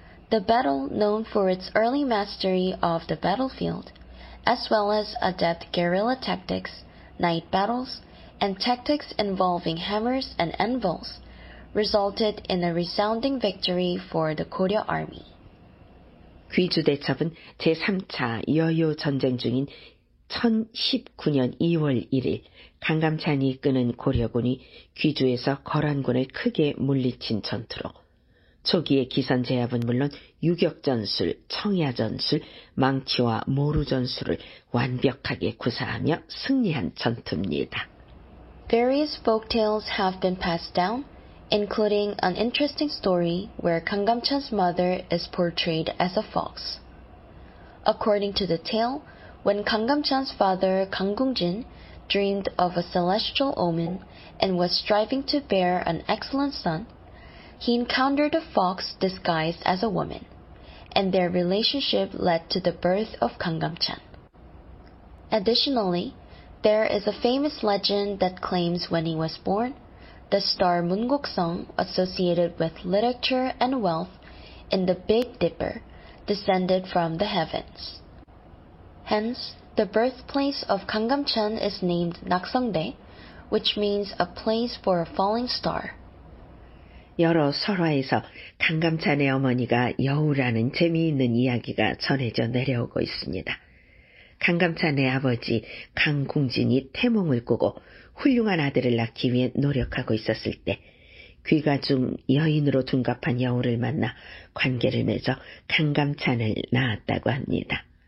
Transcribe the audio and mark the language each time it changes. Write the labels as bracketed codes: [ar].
[en] The battle, known for its early mastery of the battlefield, as well as adept guerrilla tactics, night battles, and tactics involving hammers and anvils, resulted in a resounding victory for the Goryeo army. [ko] 귀주 대첩은 제3차 여요 전쟁 중인 1019년 2월 1일 강감찬이 이끄는 고려군이 귀주에서 거란군을 크게 물리친 전투로 초기의 기선 제압은 물론 유격 전술, 청야 전술, 망치와 모루 전술을 완벽하게 구사하며 승리한 전투입니다. [en] Various folktales have been passed down, including an interesting story where Kangamchan's mother is portrayed as a fox. According to the tale, when Kangamchan's father, Kangungjin, dreamed of a celestial omen and was striving to bear an excellent son, he encountered a fox disguised as a woman, and their relationship led to the birth of Kangamchan. Additionally, there is a famous legend that claims when he was born, the star Mungok-seong, associated with literature and wealth in the Big Dipper, descended from the heavens. Hence, the birthplace of Kangamchan is named Naksongdae, which means a place for a falling star. [ko] 여러 설화에서 강감찬의 어머니가 여우라는 재미있는 이야기가 전해져 내려오고 있습니다. 강감찬의 아버지 강궁진이 태몽을 꾸고 훌륭한 아들을 낳기 위해 노력하고 있었을 때 귀가 중 여인으로 둔갑한 여우를 만나 관계를 맺어 강감찬을 낳았다고 합니다.